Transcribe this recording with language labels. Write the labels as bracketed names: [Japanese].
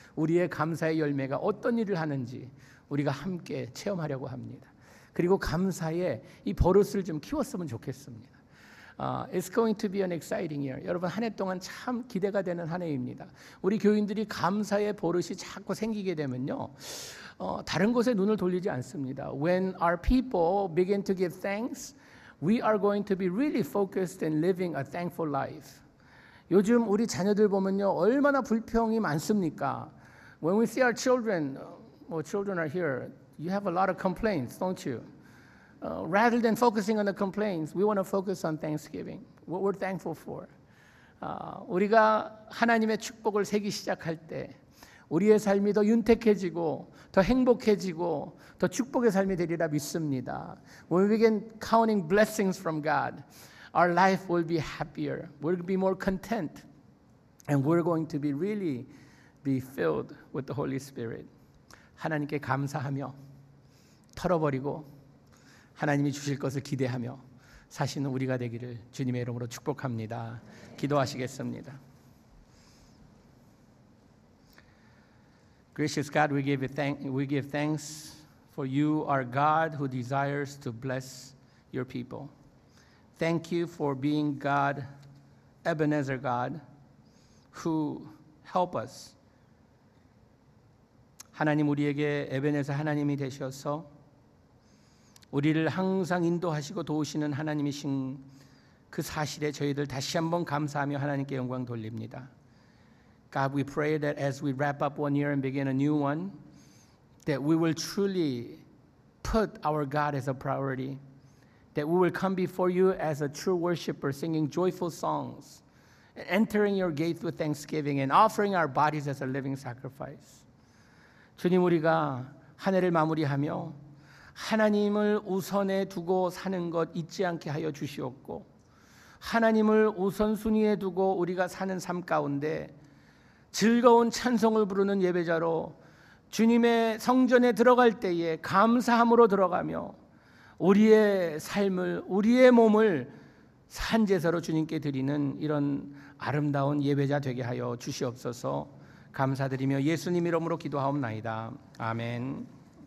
[Korean] 우리의 감사의 열매가 어떤 일을 하는지 우리가 함께 체험하려고 합니다. 그리고 감사의 이 버릇을 좀 키웠으면 좋겠습니다. [English] It's going to be an exciting year. [Korean] 여러분 한 해 동안 참 기대가 되는 한 해입니다. 우리 교인들이 감사의 버릇이 자꾸 생기게 되면요. 다른 곳에 눈을 돌리지 않습니다. [English] When our people begin to give thanks, we are going to be really focused in living a thankful life. [Korean] 요즘 우리 자녀들 보면요. 얼마나 불평이 많습니까? [English] When we see our children, well, children are here. You have a lot of complaints, don't you? Rather than focusing on the complaints, we want to focus on Thanksgiving. What we're thankful for. [Korean] 우리가 하나님의 축복을 세기 시작할 때 우리의 삶이 더 윤택해지고 더 행복해지고 더 축복의 삶이 되리라 믿습니다. [English] When we begin counting blessings from God, our life will be happier. We'll be more content. And we're going to be really be filled with the Holy Spirit. [Korean] 하나님께 감사하며 털어버리고 하나님이 주실 것을 기대하며 사시는 우리가 되기를 주님의 이름으로 축복합니다. 기도하시겠습니다. [English] Gracious God, we give thanks for you are God who desires to bless your people. Thank you for being God, Ebenezer God, who help us. [Korean] 하나님 우리에게 에베네서 하나님이 되셔서 우리를 항상 인도하시고 도우시는 하나님이신 그 사실에 저희들 다시 한번 감사하며 하나님께 영광 돌립니다. [English] God, we pray that as we wrap up one year and begin a new one, that we will truly put our God as a priority, that we will come before you as a true worshiper, singing joyful songs, entering your gates with thanksgiving and offering our bodies as a living sacrifice. [Korean] 주님, 우리가 한 해를 마무리하며 하나님을 우선에 두고 사는 것 잊지 않게 하여 주시옵고 하나님을 우선순위에 두고 우리가 사는 삶 가운데 즐거운 찬송을 부르는 예배자로 주님의 성전에 들어갈 때에 감사함으로 들어가며 우리의 삶을 우리의 몸을 산제사로 주님께 드리는 이런 아름다운 예배자 되게 하여 주시옵소서. 감사드리며 예수님 이름으로 기도하옵나이다. 아멘.